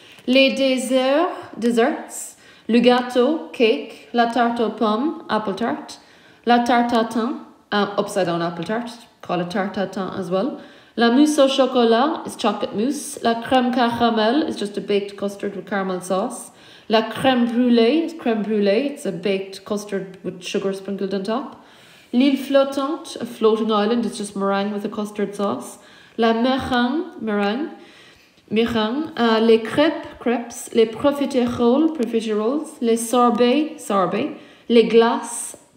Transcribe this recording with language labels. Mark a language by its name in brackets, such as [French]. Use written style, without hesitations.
[French] Les desserts. Le gâteau, cake. La tarte aux pommes, [English] apple tart. [French] La tarte à thym, [English] upside down apple tart. Call it tarte à thym as well. La mousse au chocolat is chocolate mousse. La crème caramel is just a baked custard with caramel sauce. La crème brûlée is crème brûlée. It's a baked custard with sugar sprinkled on top. L'île flottante, a floating island, is just meringue with a custard sauce. [French] La meringue. Les crepes. Les profiteroles. Les sorbets. Les glaces.